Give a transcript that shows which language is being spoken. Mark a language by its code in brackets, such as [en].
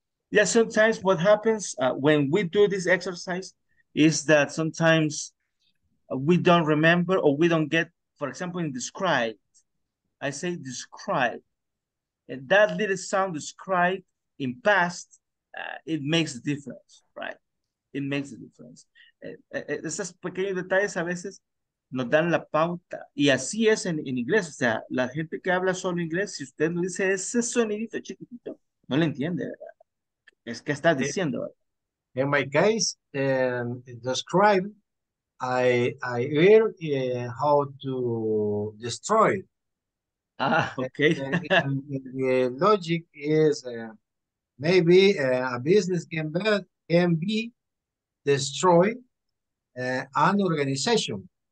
[en] Yeah, sometimes what happens when we do this exercise is that sometimes we don't remember or we don't get, for example, in described, I say described. And that little sound described in past, it makes a difference, right? It makes a difference. [es] Esos pequeños detalles a veces nos dan la pauta. Y así es en inglés. O sea, la gente que habla solo inglés, si usted no dice ese sonidito chiquitito, no le entiende, ¿verdad? Es que estás diciendo. [en] In my case, describe, I hear how to destroy. Ah, okay. The logic is maybe a business can be destroyed, an organization.